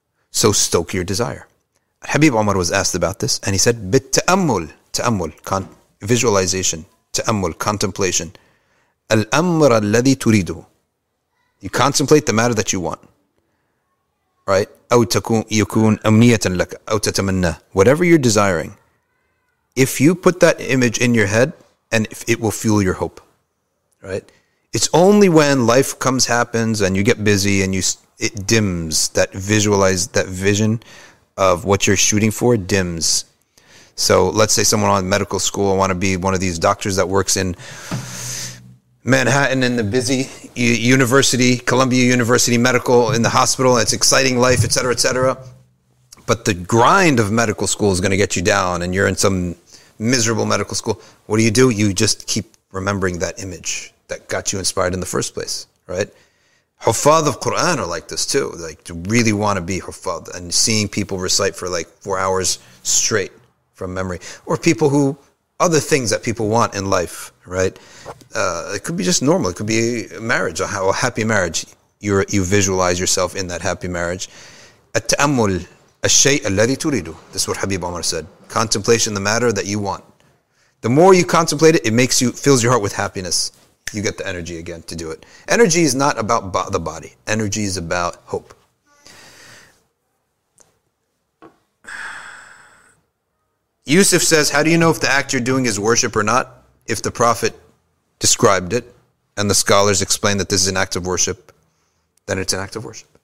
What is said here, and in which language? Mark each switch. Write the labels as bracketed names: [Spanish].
[English] So stoke your desire. Habib Omar was asked about this and he said, [Arabic] بالتأمل, تأمل, [English] visualization, [Arabic] تأمل, [English] contemplation. [Arabic] الأمر الذي تريده. [English] You contemplate the matter that you want, right? [Arabic] أو تكون يكون أمنية لك أو تتمنى. [English] Whatever you're desiring, if you put that image in your head, and if it will fuel your hope, right? It's only when life comes, happens, and you get busy, and it dims that visualize that vision of what you're shooting for dims. So let's say someone on medical school, I want to be one of these doctors that works in Manhattan in the busy university, Columbia University Medical in the hospital, it's exciting life, et cetera, et cetera. But the grind of medical school is going to get you down and you're in some miserable medical school. What do? You just keep remembering that image that got you inspired in the first place, right? Hufadh of Quran are like this too, like to really want to be Hufadh and seeing people recite for like 4 hours straight from memory. Or people who, other things that people want in life, right? It could be just normal. It could be a marriage, a happy marriage. You visualize yourself in that happy marriage. [Arabic] التأمل الشيء الذي تريده. [English] This is what Habib Omar said. Contemplation, the matter that you want. The more you contemplate it, it makes you, fills your heart with happiness. You get the energy again to do it. Energy is not about the body. Energy is about hope. Yusuf says, how do you know if the act you're doing is worship or not? If the prophet described it and the scholars explained that this is an act of worship, then it's an act of worship.